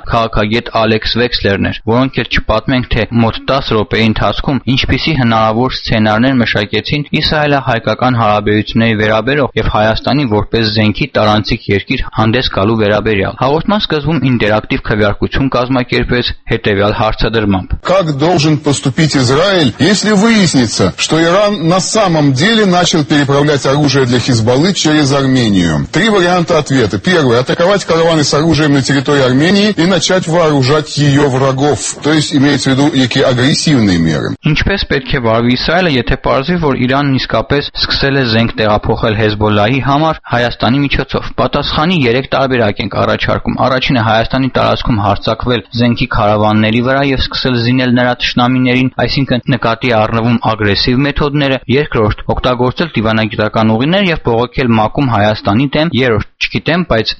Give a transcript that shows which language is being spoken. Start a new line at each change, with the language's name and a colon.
Armenian: քաղաքագետ Ալեքս Վեքսլերն էր, որոնք էլ չպատմենք, թե մոտ 10 րոպեի ընթացքում ինչպիսի հնարավոր սցենարներ մշակեցին Իսրայելա-հայկական հարաբերությունների վերաբերող և Հայաստանի որպես զենքի տարանցիկ երկիր հանդես գալու վերաբերյալ։ Հաղորդման սկզբում ինտերակտիվ քվեարկություն կազմակերպվեց հետևյալ հարցադրմամբ.
Russian: Как должен поступить Израиль, если выяснится, что Иран на самом деле начал переправлять оружие для Хизбаллы через Армению? Три варианта ответа. Первый – атаковать караваны с оружием на территории Армении и начать вооружать ее врагов. То есть имеется в виду некие агрессивные меры.
Armenian: Ինչպես պետք է վարվի Իսրայելը, եթե պարզվի, որ Իրանն իսկապես սկսել է զենք տեղափոխել Հեզբոլլահի համար Հայաստանի միջոցով? Պատասխանի երեք տարբերակ ենք առաջարկում. Առաջինը Հայաստանի տարածքում հարձակվել զենքի քարավանների վրա և սկսել զինել նրա թշնամիներին, այսինքն նկատի առնվում ագրեսիվ մեթոդները, երկրորդ՝ օգտագործել դիվանագիտական ուղիներ և բողոքել մակում Հայաստանի դեմ, երրորդ՝ չգիտեմ, բայց